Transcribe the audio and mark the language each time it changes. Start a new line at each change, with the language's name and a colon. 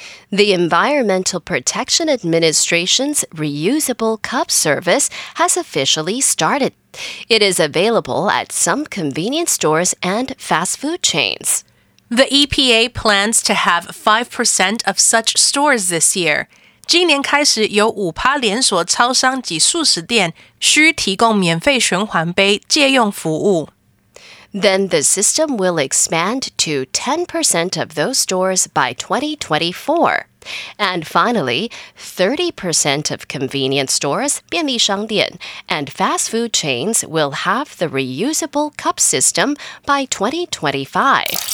English: The Environmental Protection Administration's Reusable Cup Service has officially started. It is available at some convenience stores and fast food chains. The EPA plans to have 5% of such stores this year.
Chinese: 今年开始有 5% 连锁超商及速食店需提供免费循环杯借用服务。
English: Then the system will expand to 10% of those stores by 2024. And finally, 30% of convenience stores, 便利商店, and fast food chains will have the reusable cup system by 2025.